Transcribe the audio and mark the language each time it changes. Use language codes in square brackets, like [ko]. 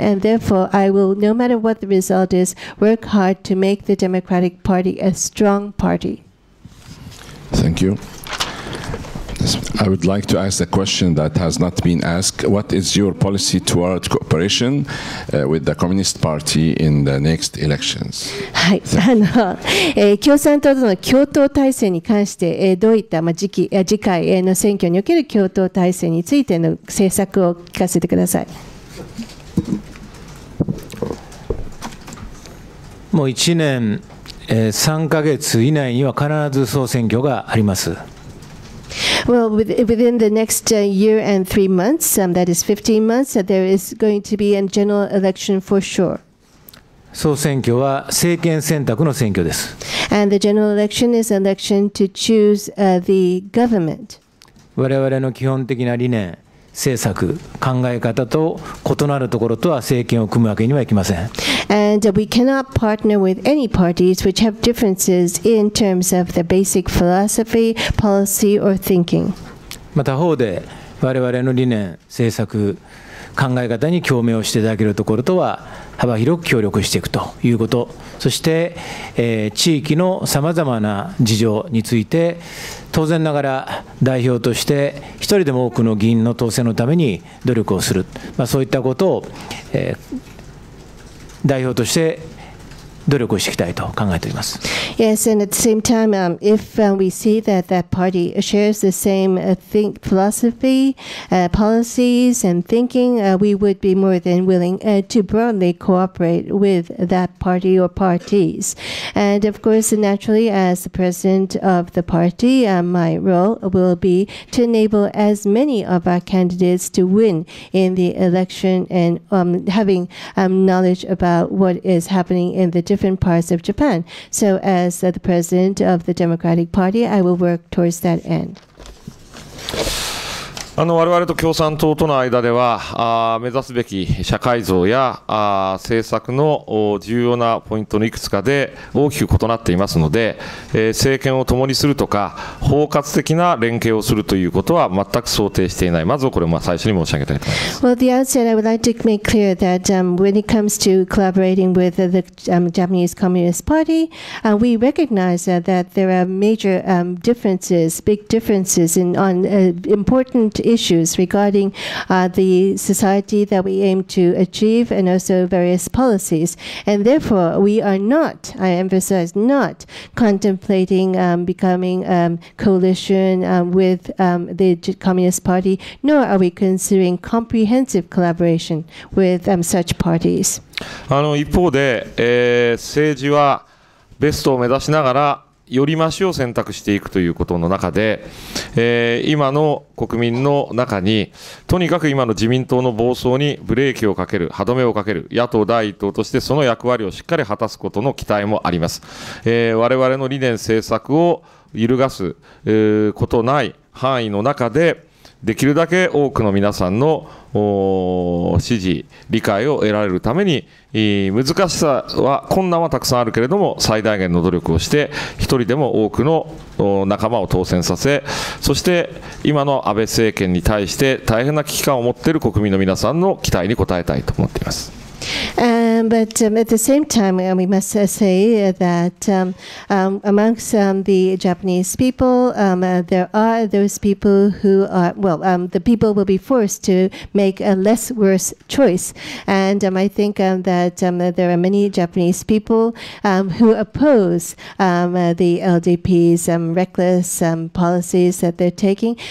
[en] And therefore, I will, no matter what the result is, work hard to make the Democratic Party a strong party. Thank you. [ja] です。 [en] I would like to ask the question that has not been asked. What is your policy toward cooperation with the Communist Party in the next elections? [ja] はい、共産党との共闘体制に関して、どういった、まあ、次回の選挙における共闘体制についての政策を聞かせてください。もう1年3ヶ月以内には必ず総選挙があります。 [en] Well, within the next year and three months, that is 15 months, there is going to be a general election for sure. [ja] 総選挙は政権選択の選挙です。 [en] And the general election is an election to choose the government. [ja] 我々の基本的な理念、政策、考え方と異なるところとは政権を組むわけにはいきません。 [en] And we cannot partner with any parties which have differences in terms of the basic philosophy, policy, or thinking. [ja] また方で我々の理念、政策、考え方に共鳴をしていただけるところとは幅広く協力していくということ、そして、地域のさまざまな事情について当然ながら代表として一人でも多くの議員の当選のために努力をする、まあ、そういったことを、代表として努力をしていきたいと考えております。 [en] Yes, and at the same time, if we see that that party shares the same think philosophy, policies, and thinking, we would be more than willing to broadly cooperate with that party or parties. And of course, naturally, as the president of the party, my role will be to enable as many of our candidates to win in the election and having knowledge about what is happening in the different parts of Japan. So as the president of the Democratic Party, I will work towards that end. [ja] 我々と共産党との間では、目指すべき社会像や政策の重要なポイントのいくつかで大きく異なっていますので、政権を共にするとか包括的な連携をするということは全く想定していない。まずこれを最初に申し上げたいと思います。 [en] Well, the outset, I would like to make clear that when it comes to collaborating with the Japanese Communist Party, we recognize that there are major differences, big differences in on important issues regarding the society that we aim to achieve and also various policies. And therefore, we are not, I emphasize, not contemplating becoming a coalition with the Communist Party, nor are we considering comprehensive collaboration with such parties. [ja] 一方で、政治はベストを目指しながらより増しを選択していくということの中で、今の国民の中にとにかく今の自民党の暴走にブレーキをかける歯止めをかける野党第一党としてその役割をしっかり果たすことの期待もあります、我々の理念政策を揺るがす、ことない範囲の中でできるだけ多くの皆さんの支持理解を得られるために難しさは困難はたくさんあるけれども最大限の努力をして一人でも多くの仲間を当選させそして今の安倍政権に対して大変な危機感を持っている国民の皆さんの期待に応えたいと思っています。 [en] But at the same time, we must say that amongst the Japanese people, there are those people who are, well, the people will be forced to make a less worse choice. And I think that there are many Japanese people who oppose the LDP's reckless policies that they're taking.